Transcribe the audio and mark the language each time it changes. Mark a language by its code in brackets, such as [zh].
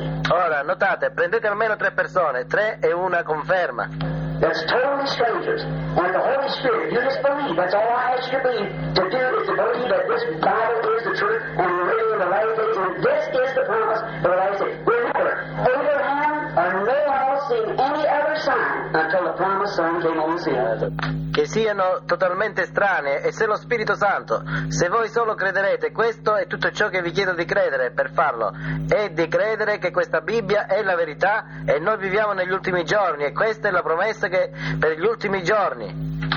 [it] Ora, notate, prendete almeno 3 persone, 3 e una conferma. [en] That's totally strangers. And the Holy Spirit, you just believe. That's all I ask you to believe. To do is to believe that this Bible is the truth and we're living in the last days. And this is the promise of the last days. Remember, Abraham or no one else seen any other sign until the promised son came on the scene. [it] Che siano totalmente strane, e se lo Spirito Santo, se voi solo crederete, questo è tutto ciò che vi chiedo di credere per farlo, è di credere che questa Bibbia è la verità e noi viviamo negli ultimi giorni, e questa è la promessa che per gli ultimi giorni.